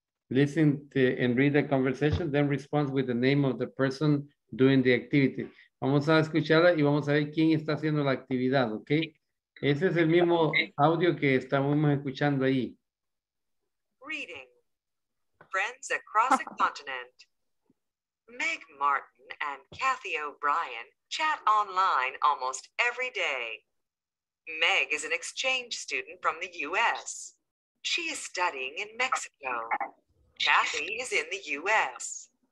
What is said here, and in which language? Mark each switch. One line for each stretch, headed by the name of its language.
English: Listen to and read the conversation, then respond with the name of the person doing the activity.
Spanish: Vamos a escucharla y vamos a ver quién está haciendo la actividad, ¿ok? Ese es el mismo audio que estamos escuchando ahí.
English: Reading. Friends across the continent. Meg Martin and Kathy O'Brien chat online almost every day. Meg is an exchange student from the US. She is studying in Mexico. Kathy is in the US.